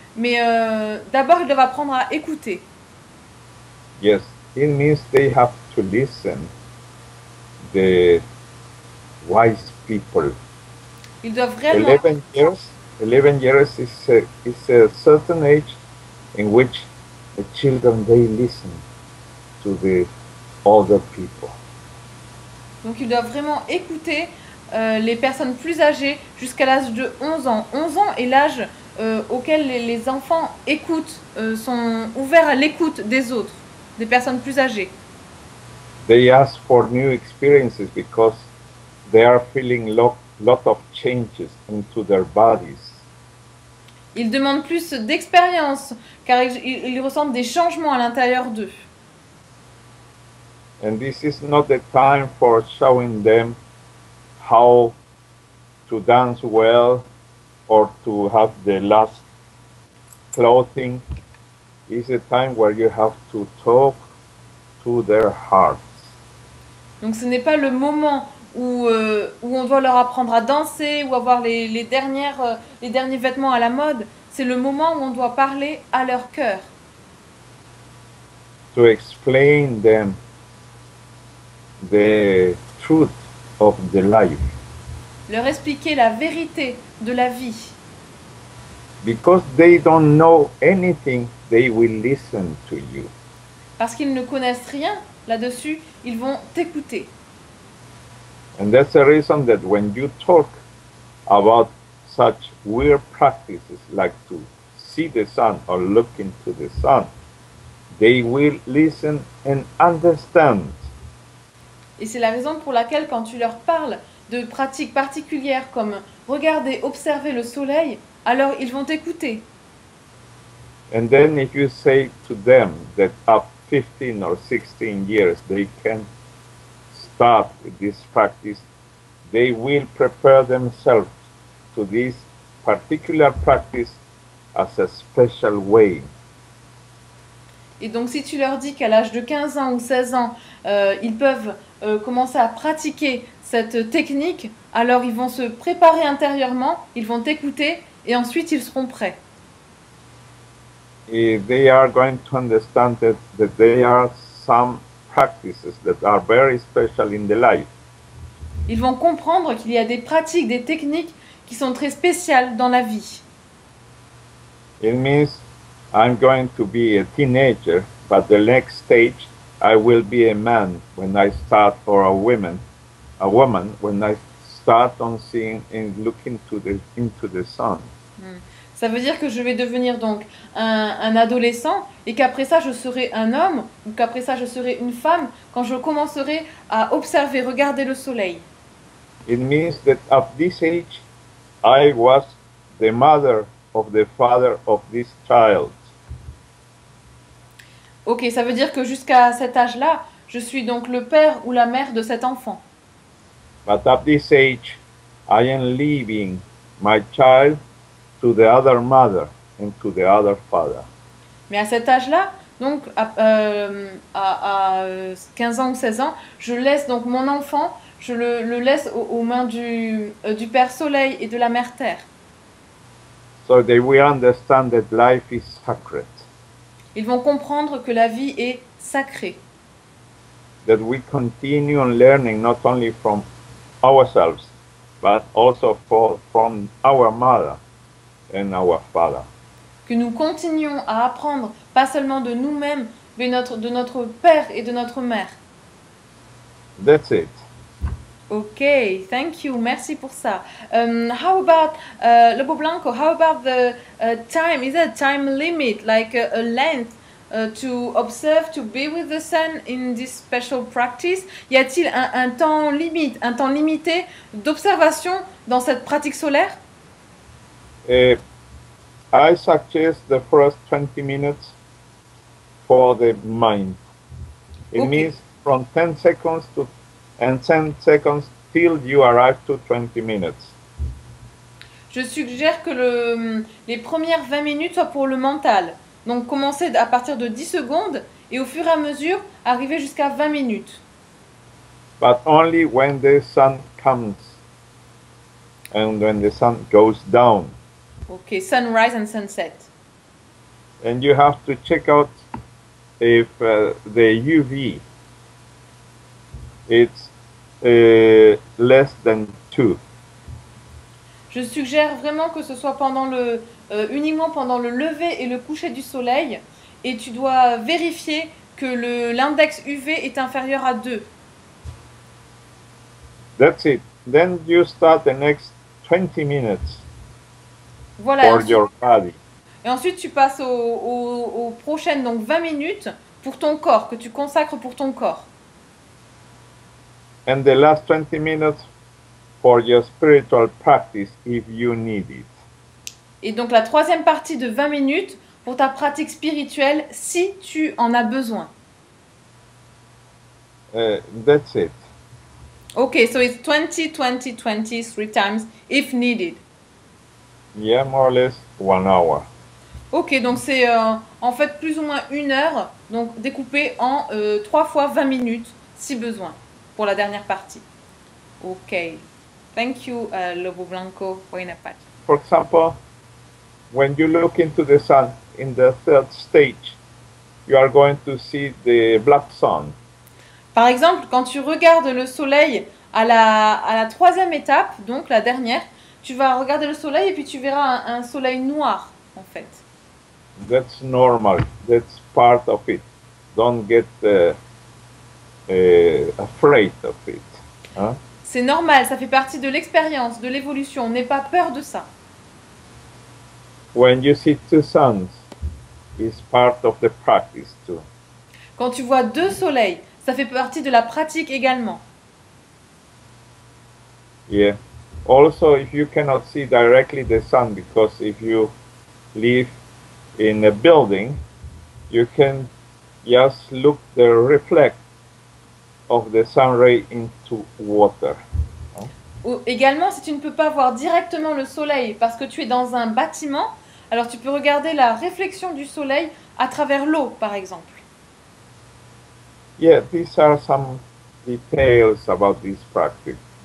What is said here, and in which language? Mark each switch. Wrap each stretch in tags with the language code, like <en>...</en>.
<fr>Mais d'abord, ils doivent apprendre à écouter.</fr> <en>Yes, it means they have to listen the wise people.</en> <fr>Ils doivent réellement.</fr> <en>11 years is a certain age in which the children they listen to the older people.</en> <fr>Donc, ils doivent vraiment écouter les personnes plus âgées jusqu'à l'âge de 11 ans. 11 ans est l'âge auquel les enfants écoutent, sont ouverts à l'écoute des autres, des personnes plus âgées.</fr> <en>They ask for new experiences because they are feeling lot of changes into their bodies.</en> <fr>Ils demandent plus d'expérience, car ils ressentent des changements à l'intérieur d'eux.</fr> <en>And this is not the time for showing them how to dance well or to have the last clothing. It's a time where you have to talk to their hearts.</en> <fr>Donc ce n'est pas le moment où on doit leur apprendre à danser ou avoir les derniers vêtements à la mode. C'est le moment où on doit parler à leur cœur.</fr> <en>To explain them the truth of the life.</en> <fr>Leur expliquer la vérité de la vie.</fr> <en>Because they don't know anything, they will listen to you.</en> <fr>Parce qu'ils ne connaissent rien là-dessus, ils vont t'écouter.</fr> <en>And that's the reason that when you talk about such weird practices like to see the sun or look into the sun, they will listen and understand.</en> <fr>Et c'est la raison pour laquelle quand tu leur parles de pratiques particulières comme regarder, observer le soleil, alors ils vont t'écouter.</fr> <en>And then if you say to them that up 15 or 16 years they can start this practice, they will prepare themselves to this particular practice as a special way.</en> <fr>Et donc si tu leur dis qu'à l'âge de 15 ans ou 16 ans, ils peuvent commencer à pratiquer cette technique, alors ils vont se préparer intérieurement, ils vont t'écouter et ensuite ils seront prêts. Et</fr> <en>they are going to understand that there are some practices that are very special in the life.</en> <fr>Ils vont comprendre qu'il y a des pratiques, des techniques qui sont très spéciales dans la vie.</fr> <en>It means I'm going to be a teenager, but the next stage I will be a man when I start, or a woman when I start on seeing and looking into the sun.</en> <fr>Ça veut dire que je vais devenir donc un adolescent et qu'après ça je serai un homme ou qu'après ça je serai une femme quand je commencerai à observer, regarder le soleil.</fr> <en>It means that at this age I was the mother of the father of this child.</en> <fr>Ok, ça veut dire que jusqu'à cet âge-là, je suis donc le père ou la mère de cet enfant.</fr> <en>But at this age, I am leaving my child to the other mother and to the other father.</en> <fr>Mais à cet âge-là, donc à 15 ans ou 16 ans, je laisse donc mon enfant, je le laisse aux mains du père soleil et de la mère terre.</fr> <en>So they will understand that life is sacred.</en> <fr>Ils vont comprendre que la vie est sacrée.</fr> <en>That we continue on learning not only from ourselves, but also from our mother and our father.</en> <fr>Que nous continuons à apprendre, pas seulement de nous-mêmes, mais de notre père et de notre mère.</fr> <en>That's it. Okay, thank you.</en> <fr>Merci pour ça.</fr> <en>How about Lobo Blanco? How about the time? Is there a time limit, like a length, to observe, to be with the sun in this special practice?</en> <fr>Y a-t-il un temps limite, un temps limité d'observation dans cette pratique solaire?</fr> <en>I suggest the first 20 minutes for the mind. It okay. Means from 10 seconds to and 10 seconds till you arrive to 20 minutes.</en> <fr>Je suggère que les premières 20 minutes soient pour le mental. Donc commencer à partir de 10 secondes et au fur et à mesure arriver jusqu'à 20 minutes.</fr> <en>But only when the sun comes and when the sun goes down. Okay, sunrise and sunset. And you have to check out if the UV it's less than 2.</en> <fr>Je suggère vraiment que ce soit pendant le uniquement pendant le lever et le coucher du soleil, et tu dois vérifier que l'index UV est inférieur à 2.</fr> <en>That's it. Then you start the next 20 minutes.</en> <fr>Voilà.</fr> <en>For</en> <fr>ensuite,</fr> <en>your body.</en> <fr>Et ensuite tu passes aux prochaines donc 20 minutes pour ton corps, que tu consacres pour ton corps.</fr> <en>And the last 20 minutes for your spiritual practice if you need it.</en> <fr>Et donc la troisième partie de 20 minutes pour ta pratique spirituelle si tu en as besoin.</fr> <en>That's it. Okay, so it's 20, 20, 20, three times if needed. Yeah, more or less 1 hour.</en> <fr>Okay, donc c'est en fait plus ou moins 1 heure, donc découpé en 3 fois 20 minutes si besoin pour la dernière partie.</fr> <en>Okay, thank you, Lobo Blanco,</en> <es>Buena Paz.</es> <en>For example, when you look into the sun in the third stage, you are going to see the black sun.</en> <fr>Par exemple, quand tu regardes le soleil à la troisième étape, donc la dernière, tu vas regarder le soleil et puis tu verras un soleil noir, en fait.</fr> <en>That's normal. That's part of it. Don't get afraid of it. Hein?</en> <fr>C'est normal, ça fait partie de l'expérience, de l'évolution. N'aie pas peur de ça.</fr> <en>When you see two suns, it's part of the practice too.</en> <fr>Quand tu vois deux soleils, ça fait partie de la pratique également.</fr> <en>Yeah. Also, if you cannot see directly the sun, because if you live in a building, you can just look the reflect of the sun ray into water.</en> <fr>Également, si tu ne peux pas voir directement le soleil parce que tu es dans un bâtiment, alors tu peux regarder la réflexion du soleil à travers l'eau, par exemple.</fr> <en>Yeah, these are some details about this practice.</en>